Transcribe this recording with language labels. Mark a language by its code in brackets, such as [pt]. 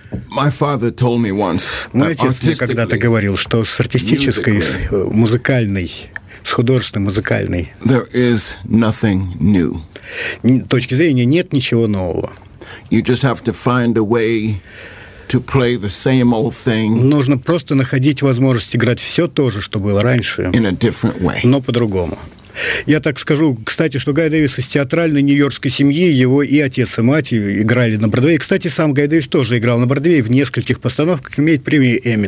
[en] My father told me once. [ru] Мой отец мне когда-то говорил, что с артистической, музыкальной, с художественной, музыкальной [en] there is nothing new. [ru] Точки зрения, нет ничего нового. [en] You just have to find a way to play the same old thing. [ru] Нужно просто находить возможность играть все то же, что было раньше, [en] in a different way. [ru] Но по-другому. Я так скажу, кстати, что Гай Дэвис из театральной нью-йоркской семьи, его и отец, и мать играли на Бродвее. Кстати, сам Гай Дэвис тоже играл на Бродвее в нескольких постановках, имеет премию Эмми.